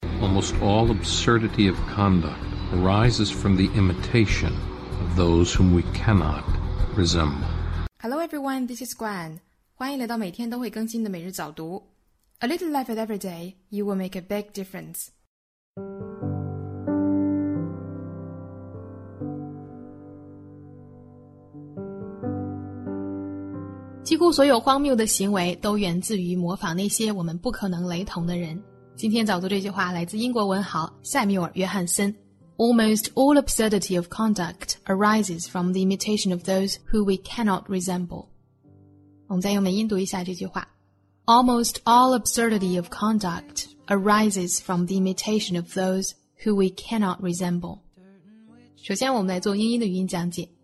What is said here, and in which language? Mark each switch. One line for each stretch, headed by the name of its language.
English: Almost all absurdity of conduct arises from the imitation of those whom we cannot resemble. Hello everyone, this is Gwen.
Chinese: 欢迎来到每天都会更新的每日早读。
English: A little effort every day, you will make a big difference.
Chinese: 几乎所有荒谬的行为都源自于模仿那些我们不可能雷同的人。今天早读这句话来自英国文豪塞缪尔·约翰森。
English: Almost all absurdity of conduct arises from the imitation of those who we cannot resemble.
Chinese: 我们再用美音读一下这句话。
English: Almost all absurdity of conduct arises from the imitation of those who we cannot resemble.
Chinese: 首先我们来做英音的语音讲解。